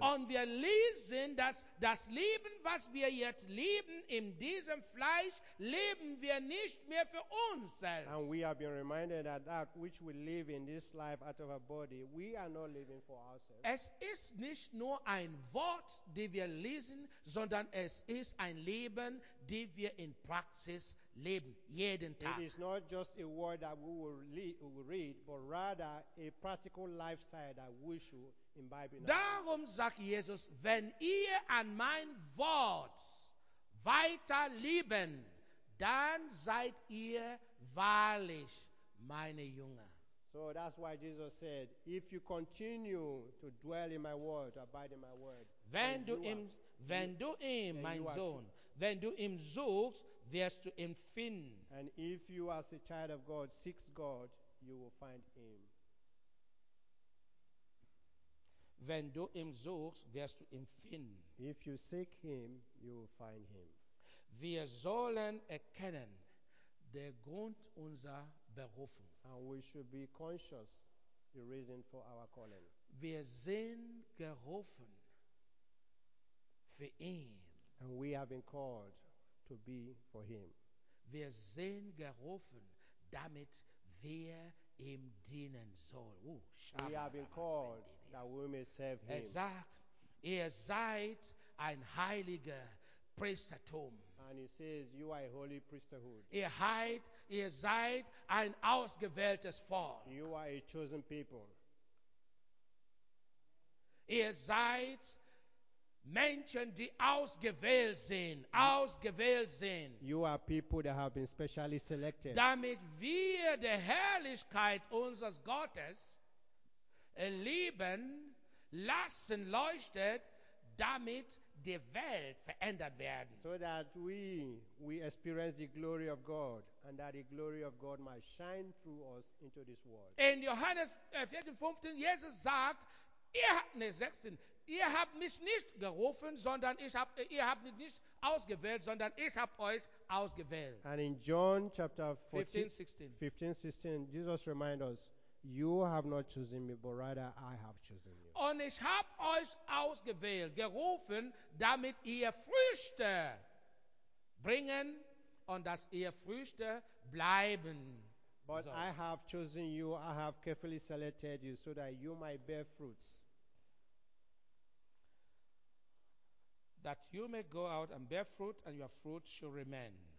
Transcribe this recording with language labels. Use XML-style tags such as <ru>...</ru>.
<de>Und wir lesen, dass das Leben, was wir jetzt leben in diesem Fleisch, leben wir nicht mehr für uns selbst.</de> <en>And we have been reminded that that which we live in this life out of our body, we are not living for ourselves.</en> <de>Es ist nicht nur ein Wort, das wir lesen, sondern es ist ein Leben, das wir in Praxis leben. leben, jeden Tag.</de> <en>It is not just a word that we will read, but rather a practical lifestyle that we should imbibe.</en> <de>Darum sagt Jesus, wenn ihr an mein Wort weiter lieben, dann seid ihr wahrlich meine Jünger.</de> <en>So that's why Jesus said, if you continue to dwell in my word, abide in my word,</en> <de>wenn du ihm suchst, wirst du ihn finden.</de> <en>And if you as a child of God seek God, you will find him.</en> <de>Wenn du ihm suchst, wirst du ihn finden.</de> <en>If you seek him, you will find him.</en> <de>Wir sollen erkennen der Grund unserer Berufung.</de> <en>And we should be conscious the reason for our calling.</en> <de>Wir sind gerufen für ihn.</de> <en>And we have been called to be for him.</en> <de>Wir sind gerufen, damit wir ihm dienen sollen.</de> <en>We have been called that we may serve him.</en> <de>Er sagt, ihr seid ein heiliger Priestertum.</de> <en>And he says, you are a holy priesthood.</en> <de>Ihr seid ein ausgewähltes Volk.</de> <en>You are a chosen people.</en> <de>Ihr seid Menschen, die ausgewählt sind. Ausgewählt sind.</de> <en>You are people that have been specially selected.</en> <de>Damit wir die Herrlichkeit unseres Gottes erleben, lassen, leuchtet, damit die Welt verändert werden.</de> <en>So that we experience the glory of God and that the glory of God might shine through us into this world.</en> <de>In Johannes 14:15, Jesus sagt, ihr habt mich nicht gerufen, sondern ihr habt mich nicht ausgewählt, sondern ich habe euch ausgewählt.</de> <en>And in John chapter 15:16, Jesus reminds us, you have not chosen me, but rather I have chosen you.</en> <de>Und ich habe euch ausgewählt, gerufen, damit ihr Früchte bringen und dass ihr Früchte bleiben.</de> <en>But so. I have chosen you, I have carefully selected you, so that you might bear fruits. That you may go out and bear fruit, and your fruit shall remain.</en>